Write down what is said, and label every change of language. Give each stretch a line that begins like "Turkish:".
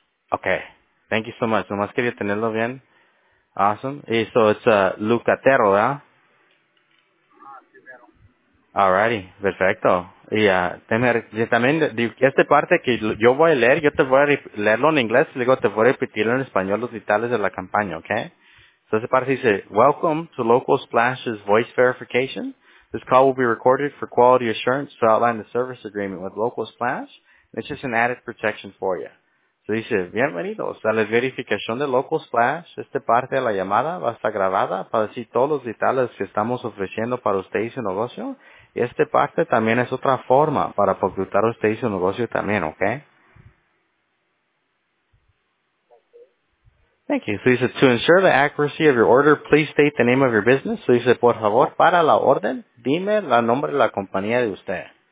English: Okay, thank you so much.
Spanish: Nomás quería tenerlo bien.
English: Awesome. Y so it's Lucatero, ¿verdad? Alrighty, perfecto.
Spanish: Y también esta parte que yo voy a leer, yo te voy a leerlo en inglés y luego te voy a repetir en español los detalles de la campaña, ¿ok?
English: So
Spanish: esta parte dice,
English: welcome to Local Splash's voice verification. This call will be recorded for quality assurance to outline the service agreement with Local Splash. It's just an added protection for you.
Spanish: So dice, bienvenidos a la verificación de Local Splash. Esta parte de la llamada va a estar grabada para decir todos los detalles que estamos ofreciendo para usted y su negocio. Y esta parte también es otra forma para facultar a usted y su negocio también, ¿ok?
English: Thank you. So dice, to ensure the accuracy of your order, please state the name of your business.
Spanish: So dice, por favor, para la orden, dime el nombre de la compañía de usted.